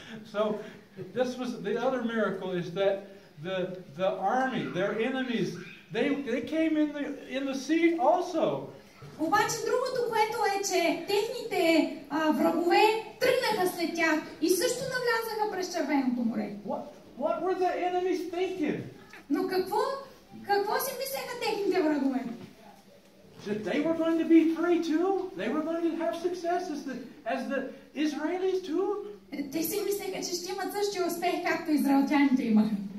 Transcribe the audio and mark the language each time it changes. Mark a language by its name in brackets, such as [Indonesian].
[English] So this was the other miracle, is that the army, their enemies, they came in the sea also. [Bulgarian] Обаче другото, което е, че техните врагове тръгнаха след тях и също навлязаха през Червеното море. [English] What were the enemies thinking? [Bulgarian] Но какво си мислеха техните врагове? [English] That they were going to be free too? They were going to have success as the Israelis too? [Bulgarian] Те си мислеха, че ще имат същия успех, както израелтяните имаха.